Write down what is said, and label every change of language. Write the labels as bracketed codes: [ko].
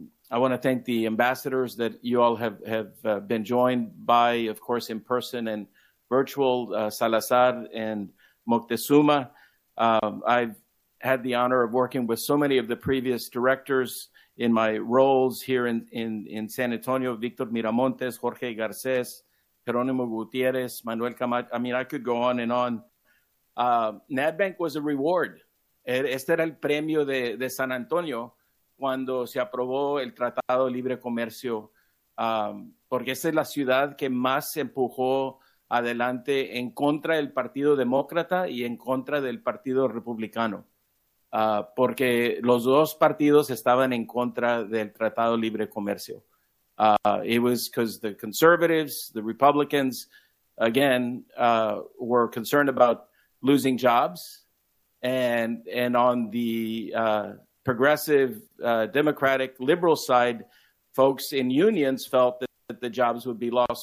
[en] I want to thank the ambassadors that you all have been joined by, of course, in person and virtual, Salazar and Moctezuma. I've had the honor of working with so many of the previous directors in my roles here in San Antonio, Victor Miramontes, Jorge Garcés, Jerónimo Gutierrez, Manuel Camacho. I mean, I could go on and on. NADBank was a reward. [es] Este era el premio de San Antonio cuando se aprobó el Tratado de Libre Comercio, porque esa es la ciudad que más empujó adelante en contra del Partido Demócrata y en contra del Partido Republicano, porque los dos partidos estaban en contra del Tratado de Libre Comercio. [en] It was because the conservatives, the Republicans, again, were concerned about losing jobs, and on the progressive, democratic, liberal side, folks in unions felt that the jobs would be lost.